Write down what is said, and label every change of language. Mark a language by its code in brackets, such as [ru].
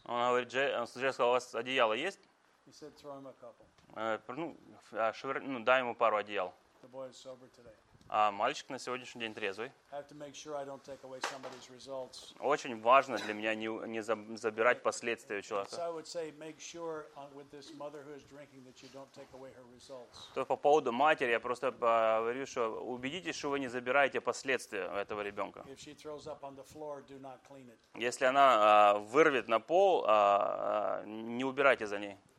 [ru] Он говорит, Джерри сказал, у вас одеяло есть? [en] He said, "Throw him a couple." [ru] Дай ему пару одеял. [en] The boy is sober today. [ru] А мальчик на сегодняшний день трезвый. [en] I have to make sure I don't take away somebody's results. [ru] Очень важно для меня не забирать последствия у человека. [en] So I would say, make sure with this mother who is drinking that you don't take away her results. [ru] То по поводу матери я просто говорю, что убедитесь, что вы не забираете последствия у этого ребенка. [en] If she throws up on the floor, do not clean it. [ru] Если она вырвет на пол, не убирайте за ней.